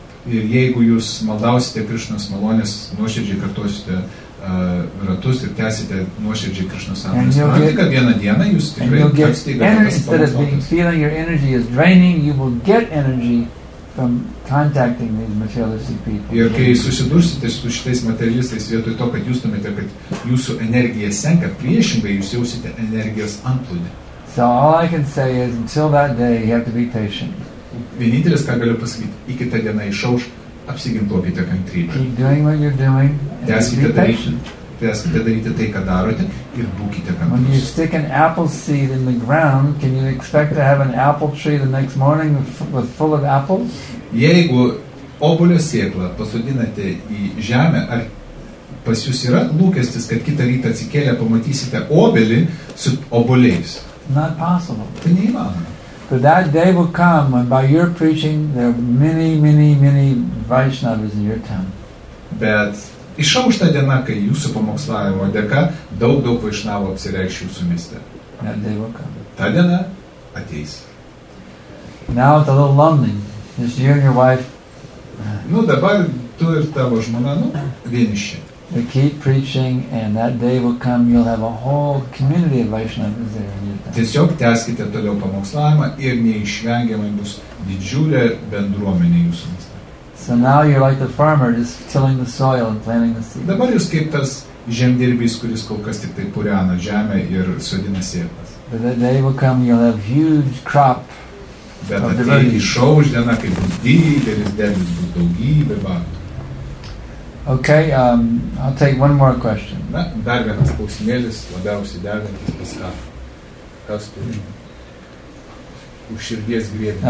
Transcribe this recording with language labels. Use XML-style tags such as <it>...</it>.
<lt>Ir jeigu jūs maldausite Krishnos malonės, nuoširdžiai kartosite ratus ir tęsite nuoširdžiai Krishnos sąmonės, kad vieną dieną jūs tikrai tapsite įgaliotas</lt> <en>Instead of being feeling your energy is draining, you will get energy from contacting these materialistic people.</en> <lt>Ir kai susidursite su šitais materialistais, vietoj to, kad jūs tumėte, kad jūsų energija senka, priešingai jūs jausite energijos antplūdį.</lt> <en>So all I can say is, until that day, you have to be patient.</en> <lt>Vienintelis, ką galiu pasakyti, iki tą dieną išauš, apsiginkluokite kantrybę.</lt> <en>Keep doing what you're doing,</en> <lt>teskite</lt> <en>patient.</en> <lt>Teskite daryti tai, ką darote, ir būkite kantrus.</lt> <en>When you stick an apple seed in the ground, can you expect to have an apple tree the next morning with full of apples?</en> <lt>Jeigu obulio sėklą pasodinate į žemę, ar pas jūs yra lūkestis, kad kitą rytą atsikėlę pamatysite obelį su obuliais?</lt> <en>Not possible.</en> <lt>Tai neįmanoma.</lt> <en>But that day will come when by your preaching there are many, many, many Vaishnavas in your town.</en> <lt>Bet išauš ta diena, kai jūsų pamokslavimo dėka daug, daug Vaishnavų apsireikš jūsų mieste.</lt> <en>That day will come.</en> <lt>Ta diena ateis.</lt> <en>Now it's a little lonely. Just you and your wife.</en> <lt>Nu, dabar tu ir tavo žmona, nu, vieniši.</lt> <en>But keep preaching and that day will come, you'll have a whole community of Vaishnavas there.</en> <lt>Tiesiog tęskite toliau pamokslavimą ir neišvengiamai bus didžiulė bendruomenė jūsų mieste.</lt> <en>So now you're like the farmer, just tilling the soil and planting the seeds.</en> <lt>Dabar jūs kaip tas žemdirbys, kuris kol kas tik tai purena žemę ir sodina sėklas.</lt> <en>But that day will come, you'll have huge crop.</en> <lt>Bet ateis išauš diena, kai bus didelis derlius, bus daugybė bhaktų.</lt> <en>Okay, I'll take one more question.</en> <lt>Na, dar vienas klausimėlis, labiausiai degantis paskatų. Kas turi? Už širdies griebė.</lt>